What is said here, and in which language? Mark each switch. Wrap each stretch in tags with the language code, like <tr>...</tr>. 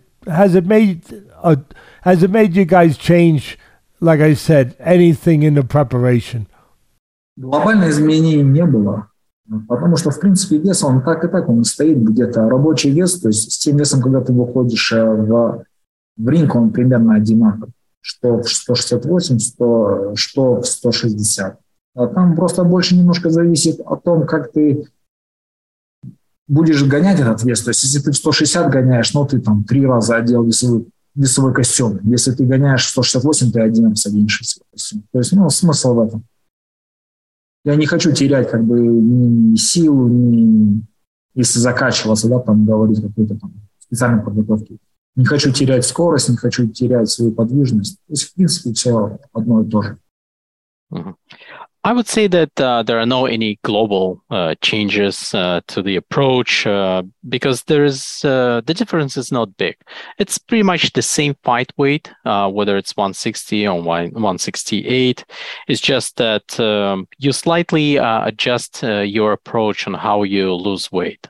<en>Has it made you guys change, like I said, anything in the preparation?</en> <ru>Глобальных изменений не было. Потому что, в принципе, вес, он так и так, он стоит где-то, рабочий вес, то есть с тем весом, когда ты выходишь в ринг, он примерно одинаков, что в 168, что в 160. А там просто больше немножко зависит о том, как ты будешь гонять этот вес. То есть если ты в 160 гоняешь, ну ты там три раза одел весовой костюм. Если ты гоняешь в 168, ты один раз оденешь весовой костюм. То есть, ну, смысл в этом. Я не хочу терять как бы ни силу, ни если закачиваться, да, там говорить какой-то там специальной подготовки. Не хочу терять скорость, не хочу терять свою подвижность. То есть, в принципе, все одно и то же. Uh-huh.</ru> <en>I would say that there are no any global changes to the approach because there's the difference is not big. It's pretty much the same fight weight, whether it's 160 or 168. It's just that you slightly adjust your approach on how you lose weight.</en>